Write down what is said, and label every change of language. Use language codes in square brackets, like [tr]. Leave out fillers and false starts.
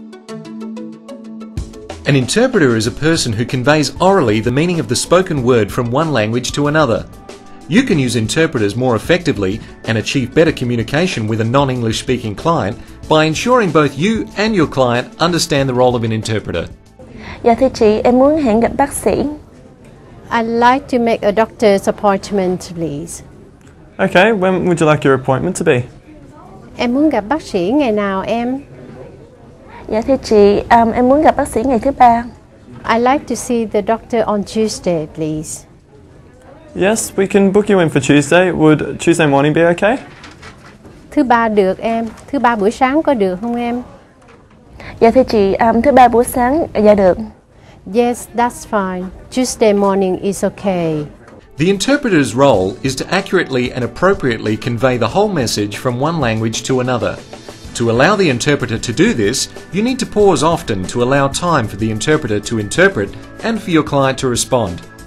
[en] An interpreter is a person who conveys orally the meaning of the spoken word from one language to another. You can use interpreters more effectively and achieve better communication with a non-English speaking client by ensuring both you and your client understand the role of an interpreter. [vi] Dạ thưa chị, em muốn hẹn gặp bác sĩ. [en] I'd like to make a doctor's appointment, please. Okay, when would you like your appointment to be? [vi] Em muốn gặp bác sĩ ngày nào em? Dạ thưa chị, em muốn gặp bác sĩ ngày thứ ba. [en] I'd like to see the doctor on Tuesday, please. Yes, we can book you in for Tuesday. Would Tuesday morning be okay? [vi] Thứ ba được em. Thứ ba buổi sáng có được không em? Dạ thưa chị, thứ ba buổi sáng dạ được. [en] Yes, that's fine. Tuesday morning is okay. The interpreter's role is to accurately and appropriately convey the whole message from one language to another. To allow the interpreter to do this, you need to pause often to allow time for the interpreter to interpret and for your client to respond.